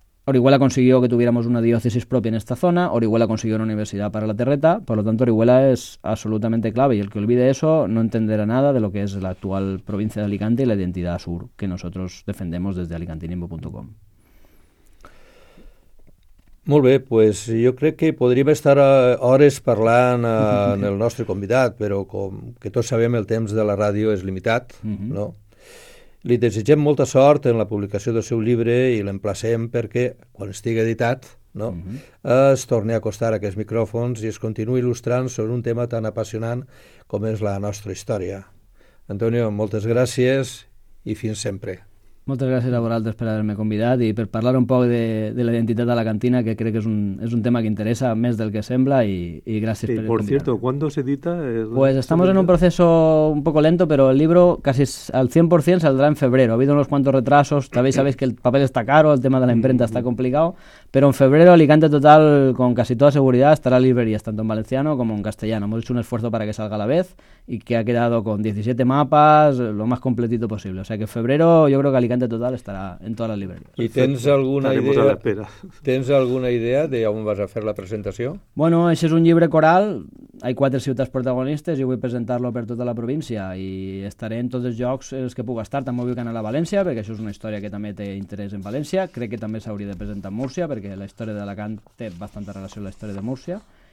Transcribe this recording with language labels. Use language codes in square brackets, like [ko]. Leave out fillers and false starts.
[es] Orihuela consiguió que tuviéramos una diócesis propia en esta zona, Orihuela consiguió una universidad para la Terreta, por lo tanto Orihuela es absolutamente clave, y el que olvide eso no entenderá nada de lo que es la actual provincia de Alicante y la identidad sur que nosotros defendemos desde alicantinimbo.com. [ca] Molt bé, pues jo crec que podríem estar hores parlant amb el nostre convidat, però com que tots sabem el temps de la ràdio és limitat, no? Li desitgem molta sort en la publicació del seu llibre i l'emplacem perquè, quan estigui editat, no? Es torni a acostar a aquests micròfons i es continuï il·lustrant sobre un tema tan apassionant com és la nostra història. Antonio, moltes gràcies i fins sempre. Moltes gràcies a vosaltres per haver-me convidat i per parlar un poc de la identitat de la cantina, que crec que és un tema que interessa més del que sembla, i gràcies per convidar. [es] Por cierto, ¿cuándo se edita? Pues estamos en un proceso un poco lento, pero el libro casi al 100% saldrá en febrero. Ha habido unos cuantos retrasos, sabéis que el papel está caro, el tema de la imprenta está complicado, pero en febrero Alicante Total, con casi toda seguridad, estará en librerías, tanto en valenciano como en castellano. Hemos hecho un esfuerzo para que salga a la vez y que ha quedado con 17 mapas, lo más completito posible. O sea que en febrero yo creo que Alicante Total [ca] estarà en totes les llibreries. I tens alguna idea? Tens alguna idea de on vas a fer la presentació? Bueno, això és un llibre coral, hi ha 4 ciutats protagonistes i vull presentar-lo per tota la província i estaré en tots els llocs en els que puc estar, també vull anar a València, perquè això és una història que també té interès en València, crec que també s'hauria de presentar a Múrcia, perquè la història d'Alacant té bastanta relació amb la història de Múrcia.